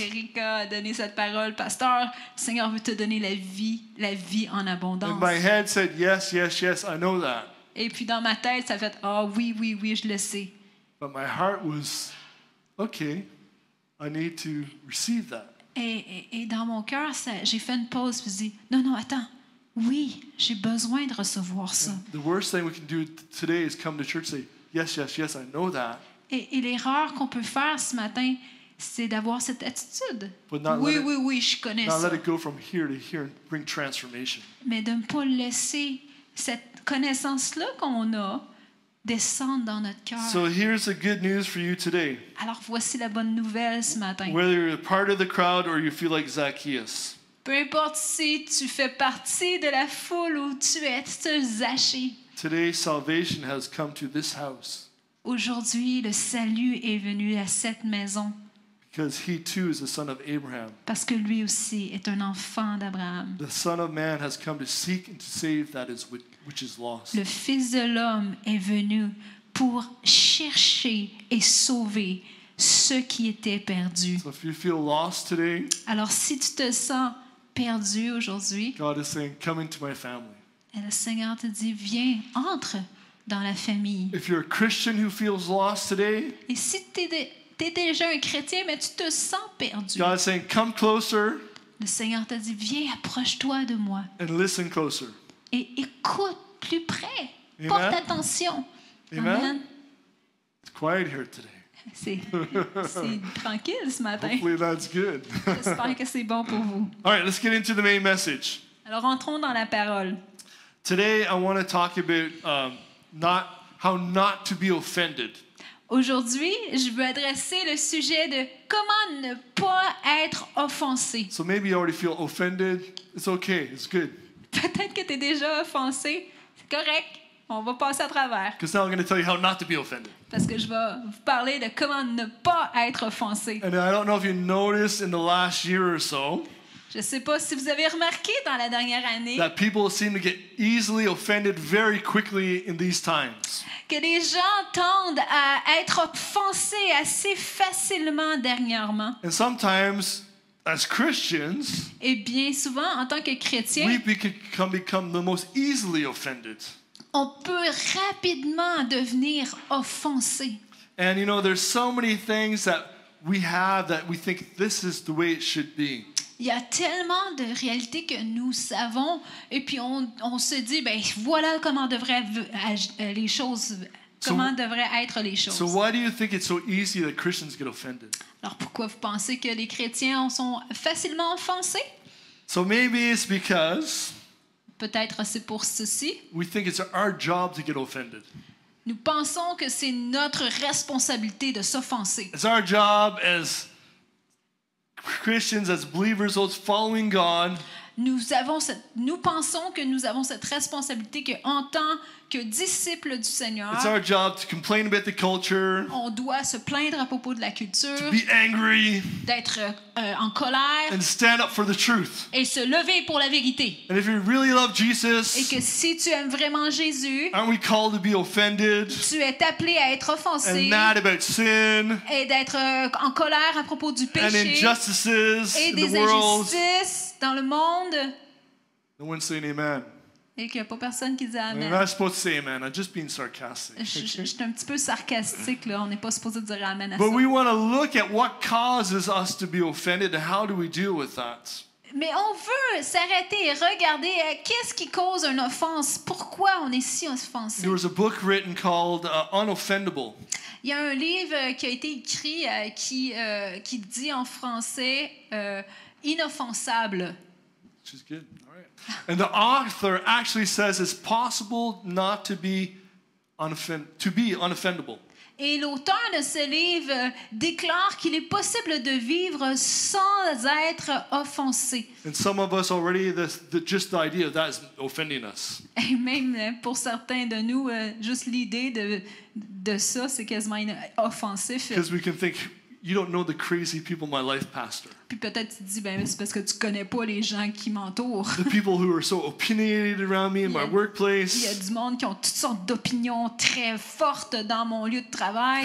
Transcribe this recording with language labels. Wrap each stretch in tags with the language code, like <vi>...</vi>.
<fr>Erica a donné cette parole, "Pasteur, le Seigneur veut te donner la vie en abondance."</fr> <en>And my head said, "Yes, yes, yes, I know that."</en> <fr>Et puis dans ma tête, ça fait, "Oh oui, oui, oui, je le sais."</fr> <en>But my heart was, "Okay, I need to receive that."</en> <fr>Et dans mon cœur, j'ai fait une pause et dit, "Non, non, attends. Oui, j'ai besoin de recevoir ça."</fr> <en>And the worst thing we can do today is come to church and say, "Yes, yes, yes, I know that."</en> <fr>Et l'erreur qu'on peut faire ce matin, c'est d'avoir cette attitude. Oui, je connais ça.</fr> <en>Not let it go from here to here and bring transformation.</en> <fr>Mais de ne pas laisser cette connaissance-là qu'on a descendre dans notre cœur.</fr> <en>So here's the good news for you today.</en> <fr>Alors voici la bonne nouvelle ce matin.</fr> <en>Whether you're part of the crowd or you feel like Zacchaeus.</en> <fr>Peu importe si tu fais partie de la foule ou tu es seul Zachée.</fr> <en>Today salvation has come to this house.</en> <fr>Aujourd'hui, le salut est venu à cette maison.</fr> <en>Because he too is the son of Abraham.</en> <fr>Parce que lui aussi est un enfant d'Abraham.</fr> <en>The son of man has come to seek and to save that is which is lost.</en> <fr>Le fils de l'homme est venu pour chercher et sauver ce qui était perdu.</fr> <en>So if you feel lost today,</en> <fr>alors si tu te sens perdu aujourd'hui,</fr> <en>God is saying, "Come into my family."</en> <fr>Et le Seigneur te dit, viens, entre dans la famille.</fr> <en>If you're a Christian who feels lost today,</en> <fr>et si t'es déjà un chrétien mais tu te sens perdu,</fr> <en>God is saying, "Come closer."</en> <fr>Le Seigneur te dit, viens, approche-toi de moi.</fr> <en>And listen closer.</en> <fr>Et écoute plus près. Amen. Porte attention.</fr> <en>Amen. Amen. It's quiet here today.</en> <fr>C'est tranquille ce matin.</fr> <en>Hopefully that's good.</en> <fr>J'espère que c'est bon pour vous.</fr> <en>All right, let's get into the main message.</en> <fr>Alors entrons dans la parole.</fr> <en>Today I want to talk about how not to be offended.</en> <fr>Aujourd'hui, je veux adresser le sujet de comment ne pas être offensé.</fr> <en>So maybe you already feel offended. It's okay. It's good.</en> <fr>Peut-être que tu es déjà offensé. C'est correct. On va passer à travers.</fr> <en>Because now I'm going to tell you how not to be offended.</en> <fr>Parce que je vais vous parler de comment ne pas être offensé.</fr> <en>And I don't know if you noticed in the last year or so.</en> <fr>Je sais pas si vous avez remarqué dans la dernière année.</fr> <en>That people seem to get easily offended very quickly in these times.</en> <fr>Que les gens tendent à être offensés assez facilement dernièrement.</fr> <en>And sometimes, as Christians,</en> <fr>et bien souvent en tant que chrétiens,</fr> <en>we can become the most easily offended.</en> <fr>On peut rapidement devenir offensé.</fr> <en>And you know, there's so many things that we have that we think this is the way it should be.</en> <fr>Il y a tellement de réalités que nous savons, et puis on se dit, ben voilà comment devraient les choses, comment devraient être les choses.</fr> <en>So why do you think it's so easy that Christians get offended?</en> <fr>Alors pourquoi vous pensez que les chrétiens sont facilement offensés?</fr> <en>So maybe it's because.</en> <fr>Peut-être c'est pour ceci.</fr> <en>We think it's our job to get offended.</en> <fr>Nous pensons que c'est notre responsabilité de s'offenser.</fr> <en>It's our job as Christians, as believers, as following God.</en> <fr>Nous pensons que nous avons cette responsabilité que en tant que disciples du Seigneur.</fr> <en>It's our job to complain about the culture.</en> <fr>On doit se plaindre à propos de la culture.</fr> <en>To be angry.</en> <fr>D'être en colère.</fr> <en>And stand up for the truth.</en> <fr>Et se lever pour la vérité.</fr> <en>And if you really love Jesus.</en> <fr>Et que si tu aimes vraiment Jésus.</fr> <en>Aren't we called to be offended?</en> <fr>Tu es appelé à être offensé.</fr> <en>And mad about sin.</en> <fr>Et d'être en colère à propos du péché.</fr> <en>And injustices in the world.</en> <fr>Et des injustices dans le monde.</fr> <en>No one's saying amen.</en> <fr>Et qu'il n'y a pas personne qui dit amen.</fr> <en>I'm not supposed to say amen. I'm just being sarcastic.</en> <fr>Je suis un petit peu sarcastique là. On n'est pas supposé dire amen à ça.</fr> <en>But we want to look at what causes us to be offended and how do we deal with that?</en> <fr>Mais on veut s'arrêter et regarder qu'est-ce qui cause une offense. Pourquoi on est si offensé?</fr> <en>There was a book written called Unoffendable.</en> <fr>Il y a un livre qui a été écrit qui dit en français inoffensable.</fr> <en>She's good. And the author actually says it's possible not to be unoffendable.</en> <fr>Et l'auteur de ce livre déclare qu'il est possible de vivre sans être offensé.</fr> <en>And some of us already just the idea of that is offending us.</en> <fr>Et même pour certains de nous, juste l'idée de ça, c'est quasiment offensif.</fr> <en>Because we can think, you don't know the crazy people in my life, pastor.</en> <fr>Puis peut-être tu dis, ben c'est parce que tu connais pas les gens qui m'entourent.</fr> <en>The people who are so opinionated around me in my workplace.</en> <fr>Il y a du monde qui ont toutes sortes d'opinions très fortes dans mon lieu de travail.</fr>